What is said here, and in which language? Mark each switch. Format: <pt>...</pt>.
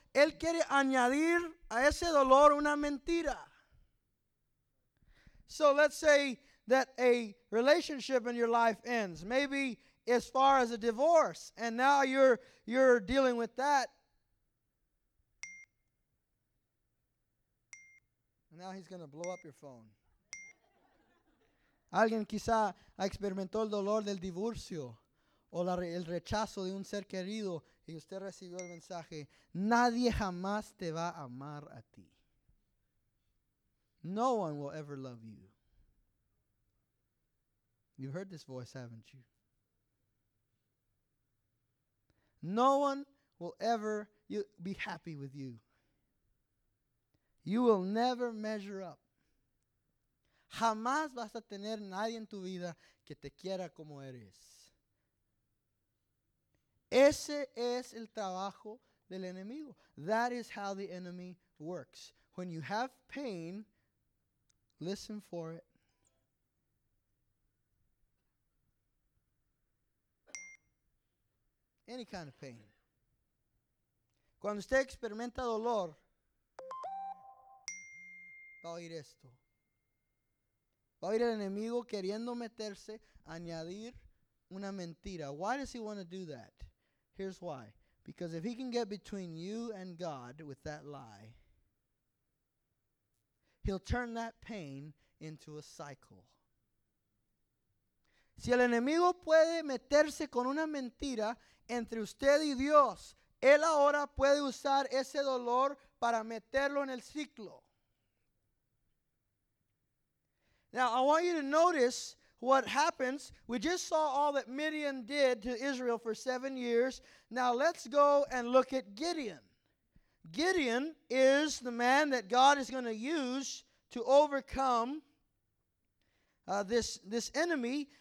<es>Él quiere añadir a ese dolor una mentira.</es> <en>So let's say that a relationship in your life ends. Maybe as far as a divorce. And now you're dealing with that. Now he's going to blow up your phone.</en> <es>Alguien quizá experimentó el dolor del divorcio. O el rechazo de un ser querido. Y usted recibió el mensaje. Nadie jamás te va a amar a ti.</es> <en>No one will ever love you. You've heard this voice, haven't you? No one will ever be happy with you. You will never measure up.</en> <es>Jamás vas a tener nadie en tu vida que te quiera como eres. Ese es el trabajo del enemigo.</es> <en>That is how the enemy works. When you have pain, listen for it. Any kind of pain.</en> <es>Cuando usted experimenta dolor, va a oír esto. Va a oír el enemigo queriendo meterse, añadir una mentira.</es> <en>Why does he want to do that? Here's why. Because if he can get between you and God with that lie, he'll turn that pain into a cycle.</en> <es>Si el enemigo puede meterse con una mentira entre usted y Dios, él ahora puede usar ese dolor para meterlo en el ciclo.</es> <en>Now, I want you to notice what happens. We just saw all that Midian did to Israel for 7 years. Now, let's go and look at Gideon. Gideon is the man that God is going to use to overcome this enemy.</en>